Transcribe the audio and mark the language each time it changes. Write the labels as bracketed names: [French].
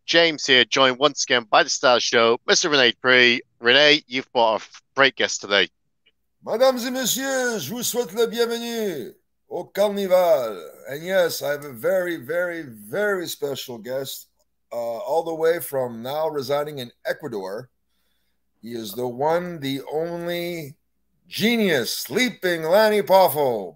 [English] James here, joined once again by the star show, Mr. Rene Dupree. Rene, you've brought a great guest today. [French] Mesdames et messieurs, je vous souhaite la bienvenue au carnival. [English] And yes, I have a very, very, very special guest, all the way from now residing in Ecuador. He is the one, the only genius, sleeping Lanny Poffo.